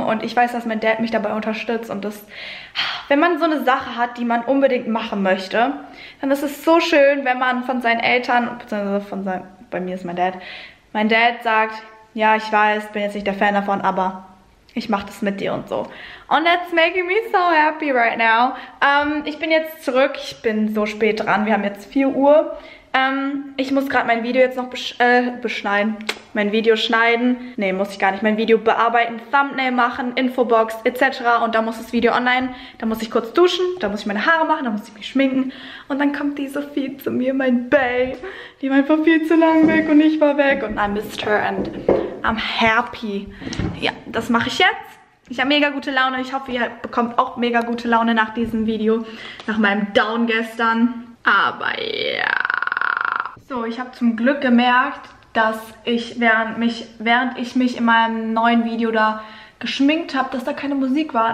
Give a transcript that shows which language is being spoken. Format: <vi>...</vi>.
<de>Und ich weiß, dass mein Dad mich dabei unterstützt. Und das, wenn man so eine Sache hat, die man unbedingt machen möchte, dann ist es so schön, wenn man von seinen Eltern, beziehungsweise von seinem, bei mir ist mein Dad sagt, ja, ich weiß, bin jetzt nicht der Fan davon, aber ich mache das mit dir und so.</de> <en>And that's making me so happy right now.</en> <de>Ich bin jetzt zurück. Ich bin so spät dran. Wir haben jetzt 4 Uhr. Ich muss gerade mein Video jetzt noch beschneiden. Mein Video schneiden. Nee, muss ich gar nicht. Mein Video bearbeiten, Thumbnail machen, Infobox etc. Und dann muss das Video online. Dann muss ich kurz duschen. Dann muss ich meine Haare machen. Dann muss ich mich schminken. Und dann kommt die Sophie zu mir, mein Bae. Die war einfach viel zu lang weg und ich war weg. Und</de> <en>I missed her and I'm happy.</en> <de>Ja, das mache ich jetzt. Ich habe mega gute Laune. Ich hoffe, ihr bekommt auch mega gute Laune nach diesem Video. Nach meinem Down gestern. Aber ja. So, ich habe zum Glück gemerkt, dass ich während ich mich in meinem neuen Video da geschminkt habe, dass da keine Musik war.</de>